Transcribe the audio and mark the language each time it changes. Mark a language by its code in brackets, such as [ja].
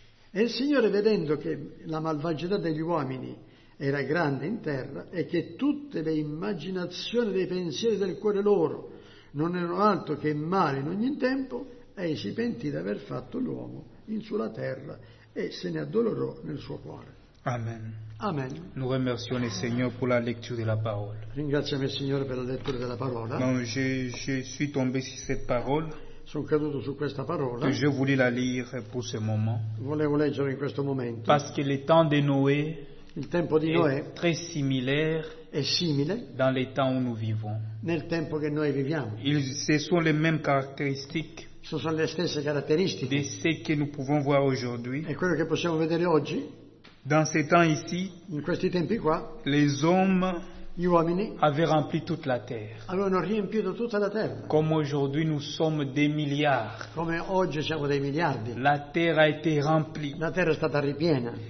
[it] E il Signore, vedendo che la malvagità degli uomini era grande in terra e che tutte le immaginazioni dei pensieri del cuore loro non erano altro che male in ogni tempo, e si pentì di aver fatto l'uomo in sulla terra e se ne addolorò nel suo cuore. Amen. Amen. [fr] Nous remercions le Seigneur pour la lecture de la parole. [it] Ringraziamo il Signore per la lettura della parola. [fr] Non, je suis tombé sur cette parole. [it] Sono caduto su questa parola. [fr] Que je voulais la lire pour ce moment. [it] Volevo leggere in questo momento. [fr] Parce que le temps de Noé. [it] Il tempo di Noè [fr] è très similaire. [it] È simile. [fr] Dans les temps où nous vivons. [it] Nel tempo che noi viviamo. [fr] Ce sont les mêmes caractéristiques. [it] Ce sont les stesse caratteristiche. [fr] De ce que nous pouvons voir aujourd'hui. [it] E quello che possiamo vedere oggi. [fr] Dans ces temps ici. [it] In questi tempi qua. [fr] Les hommes. [it] Gli uomini. [fr] Avaient rempli toute la terre. [it] Avevano riempito tutta la terra. [fr] Comme aujourd'hui nous sommes des milliards. [it] Come oggi siamo dei miliardi. [fr] La terre a été remplie. [it] La terra è stata ripiena.